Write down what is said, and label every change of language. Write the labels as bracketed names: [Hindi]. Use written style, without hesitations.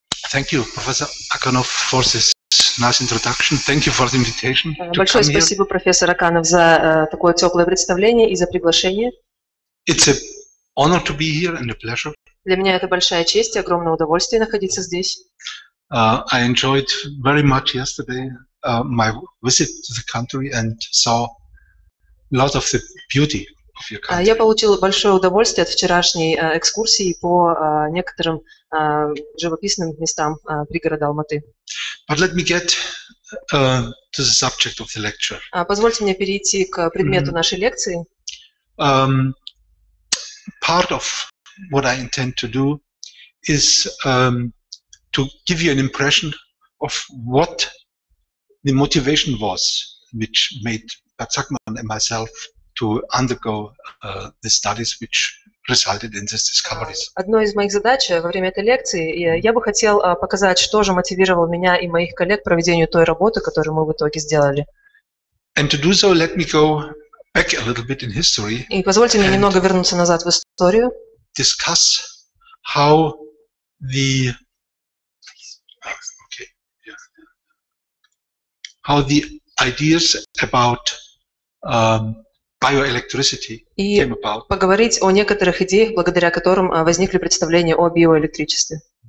[English] Thank you, Professor Akhanov, for this nice introduction. Thank you for the invitation. [Russian] Большое спасибо, профессор Аканов, за такое теплое представление и за приглашение. [English] It's an honor to be here and a pleasure. [Russian] Для меня это большая честь и огромное удовольствие находиться здесь. [English] I enjoyed very much yesterday my visit to the country and saw lot of the beauty. [Russian] Я получил большое удовольствие от вчерашней экскурсии по некоторым живописным местам пригорода Алматы. [English] But let me get to the subject of the lecture. [Russian] Позвольте мне перейти к предмету нашей лекции. [English] Part of what I intend to do is to give you an impression of what the motivation was, which made Pat Sakman and myself to undergo the studies which resulted in these discoveries. [Russian] Одной из моих задач во время этой лекции я бы хотел показать, что же мотивировало меня и моих коллег к проведению той работы, которую мы в итоге сделали. [English] And to do so, let me go back a little bit in history. [Russian] И позвольте мне немного вернуться назад в историю. [English] Discuss how the how the ideas about bioelectricity came about. [Russian] И поговорить о некоторых идеях, благодаря которым возникли представления о биоэлектричестве.